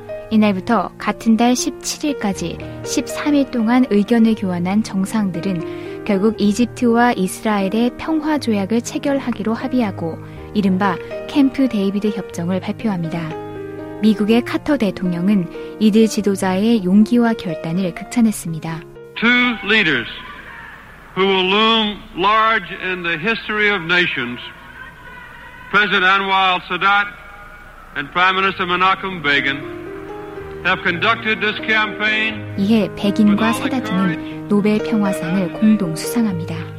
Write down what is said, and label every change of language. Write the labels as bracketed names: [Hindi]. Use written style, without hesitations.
[Korean] 이날부터 같은 달 17일까지 13일 동안 의견을 교환한 정상들은 결국 이집트와 이스라엘의 평화 조약을 체결하기로 합의하고 이른바 캠프 데이비드 협정을 발표합니다. 미국의 카터 대통령은 이들 지도자의 용기와 결단을 극찬했습니다. [English] Two leaders who will loom large in the history of nations, President Anwar al-Sadat and Prime Minister Menachem Begin, have conducted this campaign. [Korean] 이에 베긴과 사다트는 노벨 평화상을 공동 수상합니다.